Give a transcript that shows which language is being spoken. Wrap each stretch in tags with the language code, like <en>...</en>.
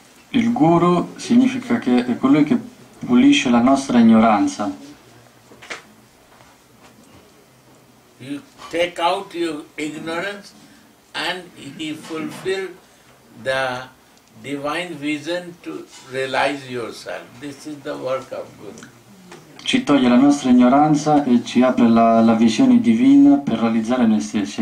<it>Il guru significa che è colui che pulisce la nostra ignoranza.</it> <en>You take out your ignorance and he fulfill the divine vision to realize yourself. This is the work of guru.</en> <it>Ci toglie la nostra ignoranza e ci apre la visione divina per realizzare noi stessi.</it>